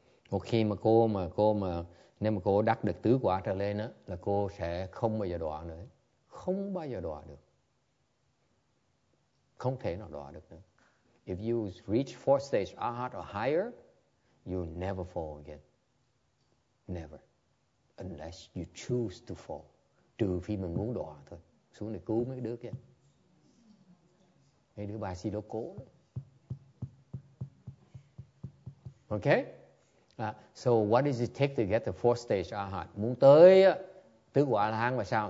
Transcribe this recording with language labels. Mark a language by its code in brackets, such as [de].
[vi] Một khi mà cô mà nếu mà cô đắc được tứ quả trở lên á, là cô sẽ không bao giờ đọa nữa. Không bao giờ đọa được. Không thể nào đọa được nữa. [en] If you reach fourth stage, arhat or higher, you never fall again. Never. Unless you choose to fall. [vi] Trừ phi mình muốn đọa thôi. Xuống để cứu mấy đứa kia. Mấy đứa bà si đó cố. [en] Okay? So what does it take to get the fourth stage arhat? [vi] Muốn tới tứ quả A-la-hán và sao?